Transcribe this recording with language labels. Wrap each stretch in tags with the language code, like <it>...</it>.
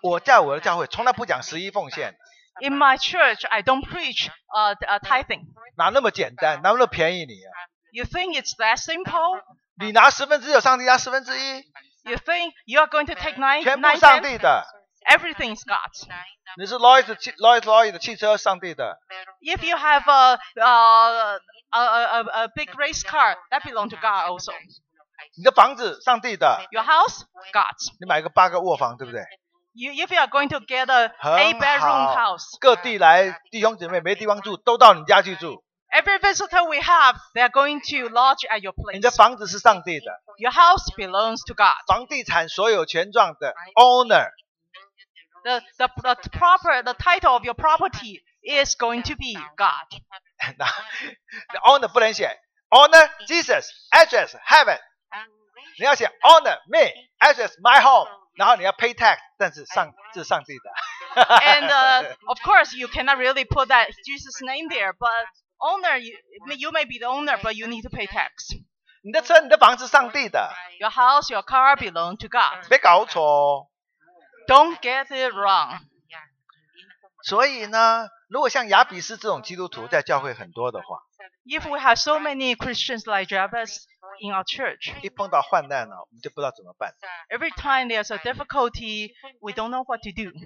<zh>我在我的教会从来不讲十一奉献。</zh> <en>In my church, I don't preach tithing.</en> <zh>哪那么简单，哪那么便宜你啊</zh> <en>？You think it's that simple?</en> <zh>你拿十分之九，上帝拿十分之一</zh> <en>？You think you are going to take nine?</en> <zh>全部上帝的。</zh> <en>Everything is God's.</en> <zh>你是 Lloyd 的汽车，上帝的。</zh> <en>If you have a big race car, that belongs to God also.</en> <zh>你的房子，上帝的。</zh> <en>Your house, God's.</en> <zh>你买个八个卧房，对不对？</zh> <en>If you are going to get a eight-bedroom house,</en> <zh>各地来弟兄姐妹没地方住，都到你家去住。</zh> <en>Every visitor we have, they are going to lodge at your place.</en> <zh>你的房子是上帝的。</zh> <en>Your house belongs to God.</en> <zh>房地产所有权状的 owner.</zh> <en>The title of your property is going to be God. The owner</en> <zh>不能写</zh> <en>owner Jesus, address heaven.</en> <zh>你要写</zh> <en>owner me, address my home.</en> <zh>然后你要</zh> <en>pay tax，</en> <zh>但是上这是上帝的。</zh> <en>And of course you cannot really put that Jesus name there, but owner you may be the owner, but you need to pay tax.</en> <zh>你的车、你的房子上帝的。</zh> <en>Your house, your car belong to God.</en> <zh>别搞错。</zh> <en>Don't get it wrong.</en> <zh>所以呢，如果像亚比斯这种基督徒在教会很多的话</zh> <en>，If we have so many Christians like Jabez. In our church,</en> <zh>一碰到患难呢，我们就不知道怎么办。</zh> <en>Every time there's a difficulty, we don't know what to do.</en>